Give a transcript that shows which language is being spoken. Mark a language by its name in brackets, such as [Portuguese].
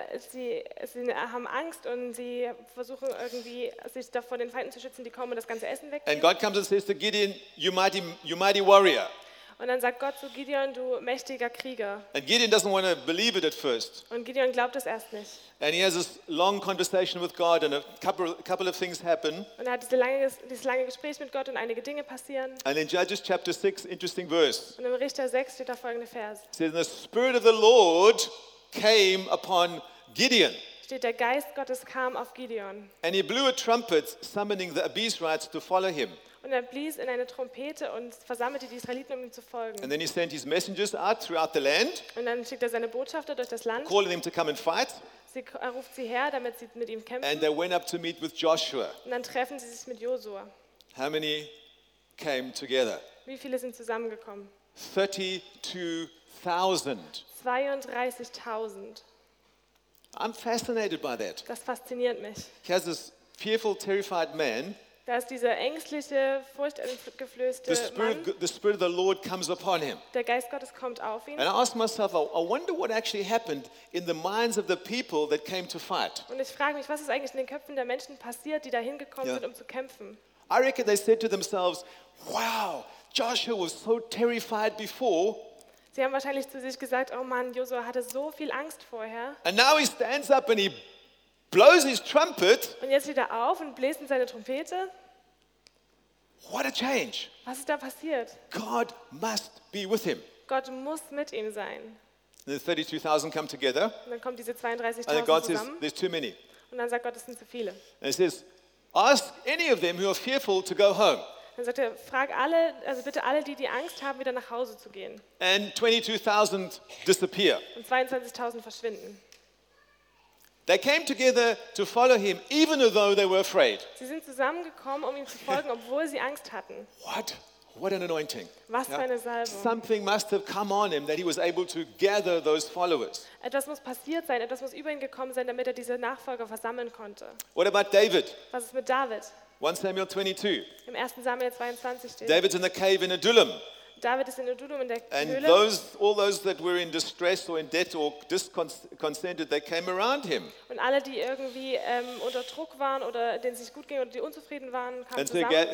[German] Sie haben Angst, und sie versuchen irgendwie, sich davor den Feinden zu schützen, die kommen und das ganze Essen wegnehmen. [English] And God comes and says to Gideon, you mighty warrior. [German] Und dann sagt Gott zu Gideon, du mächtiger Krieger. [English] And Gideon doesn't want to believe it at first. [German] Und Gideon glaubt es erst nicht. [English] And he has this long conversation with God, and a couple of things happen. [German] Und er hat dieses lange Gespräch mit Gott, und einige Dinge passieren. [English] And in Judges chapter 6, interesting verse. [German] Und im Richter 6 steht da folgende Vers. [English] It says, the Spirit of the Lord came upon Gideon. [German] Steht, der Geist Gottes kam auf Gideon. [English] And he blew a trumpet, summoning the Abiezrites to follow him. [German] Und er blies in eine Trompete und versammelte die Israeliten, um ihm zu folgen. [English] And then he sent his messengers out throughout the land. [German] Und dann schickt er seine Botschafter durch das Land. [English] Calling them to come and fight. [German] Er ruft sie her, damit sie mit ihm kämpfen. [English] And they went up to meet with Joshua. [German] Und dann treffen sie sich mit Josua. [English] How many came together? [German] Wie viele sind zusammengekommen? [English] 32,000. [German] 32,000. [English] I'm fascinated by that. [German] Das fasziniert mich. [English] He has this fearful, terrified man. [German] Da ist dieser ängstliche, furchtgeflößte Mann. [English] The Spirit of the Lord comes upon him. [German] Der Geist Gottes kommt auf ihn. [English] And I ask myself, I wonder what actually happened in the minds of the people that came to fight. [German] Und ich frage mich, was ist eigentlich in den Köpfen der Menschen passiert, die da hingekommen sind, um zu kämpfen? [English] I reckon they said to themselves, wow, Joshua was so terrified before. [German] Sie haben wahrscheinlich zu sich gesagt, oh Mann, Josua hatte so viel Angst vorher. [English] And now he stands up and he blows his trumpet. [German] Und jetzt steht er auf und bläst in seine Trompete. [English] What a change. [German] Was ist da passiert? [English] God must be with him. [German] Gott muss mit ihm sein. [English] And the 32,000 come together. [German] Und dann kommen diese 32,000 zusammen. [English] And God says, there's too many. [German] Und dann sagt Gott, es sind zu viele. [English] And he says, ask any of them who are fearful to go home. [German] Dann sagt er, frag alle, also bitte alle, die Angst haben, wieder nach Hause zu gehen. [English] And 22,000 disappear. [German] Und 22,000 verschwinden. [English] They came together to follow him, even though they were afraid. [German] Sie sind zusammengekommen, um ihm zu folgen, obwohl sie Angst hatten. [English] What What an anointing. [German] Was für eine Salbung. [English] Something must have come on him that he was able to gather those followers. [German] Etwas muss passiert sein, etwas muss über ihn gekommen sein, damit er diese Nachfolger versammeln konnte. [English] What about David? [German] Was ist mit David? [English] 1 Samuel 22. [German] Im 1. Samuel 22 steht. [English] David's in the cave in Adullam. [German] David ist in Adullam in der Höhle. [English] And those, all those that were in distress or in debt or discontented, they came around him. [German] Und alle, die irgendwie unter Druck waren oder denen es nicht gut ging oder die unzufrieden waren, kamen zusammen.